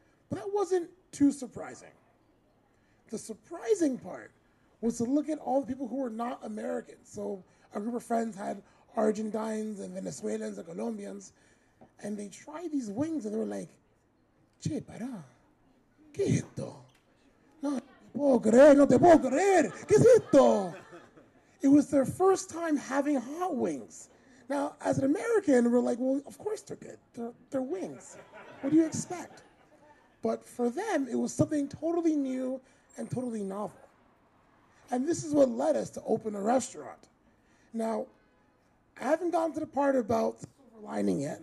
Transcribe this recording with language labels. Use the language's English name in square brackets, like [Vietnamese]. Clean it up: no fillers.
[English] But that wasn't too surprising. The surprising part was to look at all the people who were not American. So a group of friends had Argentines and Venezuelans and Colombians, and they tried these wings and they were like, [Spanish] che, para, ¿qué es esto? No te puedo creer, no te puedo creer, ¿qué es esto? [English] It was their first time having hot wings. Now, as an American, we're like, well, of course they're good. They're wings. What do you expect? But for them, it was something totally new and totally novel. And this is what led us to open a restaurant. Now, I haven't gotten to the part about silver lining yet.